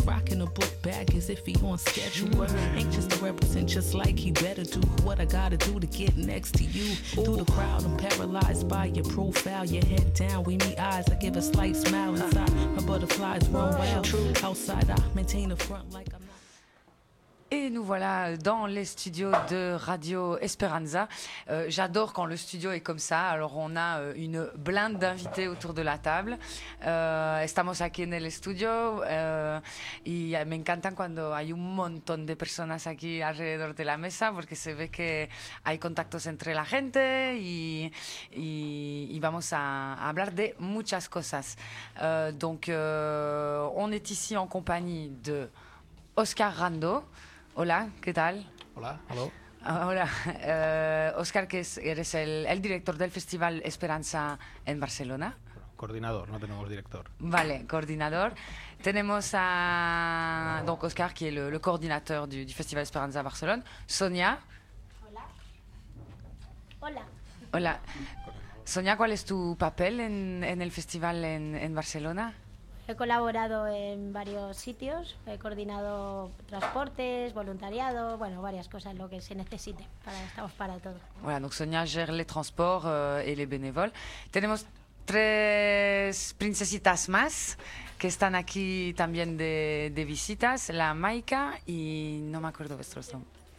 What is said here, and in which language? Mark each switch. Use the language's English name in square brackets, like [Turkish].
[English] Rocking a book bag as if he on schedule. Anxious to represent just like he better do. What I gotta do to get next to you. Ooh. Through the crowd, I'm paralyzed by your profile. Your head down, we meet eyes. I give a slight smile inside. My butterflies run wild. Outside, I maintain the front like I'm. [French] Et nous voilà dans les studios de Radio Esperanza. J'adore quand le studio est comme ça. Alors, on a une blinde d'invités autour de la table. [Spanish] Estamos aquí en el estudio. Y me encanta cuando hay un montón de personas aquí alrededor de la mesa, porque se ve que hay contactos entre la gente y vamos a hablar de muchas cosas. [French] Donc, on est ici en compagnie de Oscar Rando. [Spanish] Hola, ¿qué tal? Hola, hello. Hola. Oscar, que eres el director del Festival Esperanza en Barcelona. Coordinador, no tenemos director. Vale, coordinador. Tenemos a donc Oscar, que es el coordinador del Festival Esperanza en Barcelona. Sonia. Hola. Hola. Hola. Sonia, ¿cuál es tu papel en el Festival en Barcelona? He colaborado en varios sitios, he coordinado transportes, voluntariado, bueno, varias cosas, lo que se necesite, estamos para todo. [French] Voilà, donc Sonia gère les transports et les bénévoles. [Spanish] Tenemos tres princesitas más que están aquí también de visitas, la Maika y no me acuerdo vuestros nombres.